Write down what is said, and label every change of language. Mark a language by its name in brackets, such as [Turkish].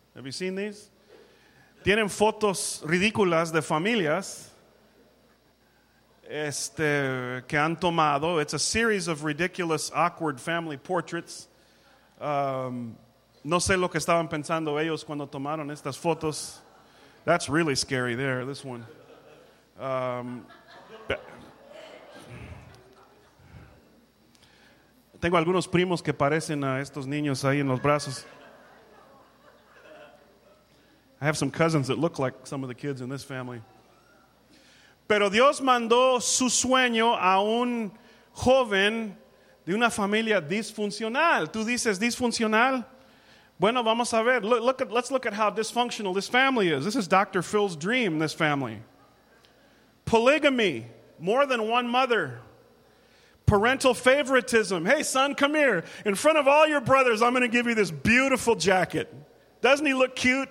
[English] Have you seen these? [Spanish] Tienen fotos ridículas de familias que han tomado. [English] It's a series of ridiculous, awkward family portraits. [Spanish] No sé lo que estaban pensando ellos cuando tomaron estas fotos. [English] That's really scary there, this one. [Spanish] Tengo algunos primos que parecen a estos niños ahí en los brazos. [English] I have some cousins that look like some of the kids in this family. [Spanish] Pero Dios mandó su sueño a un joven de una familia disfuncional. ¿Tú dices disfuncional? Bueno, vamos a ver. [English] Let's look at how dysfunctional this family is. This is Dr. Phil's dream, this family. Polygamy, more than one mother. Parental favoritism. Hey, son, come here. In front of all your brothers, I'm going to give you this beautiful jacket. Doesn't he look cute?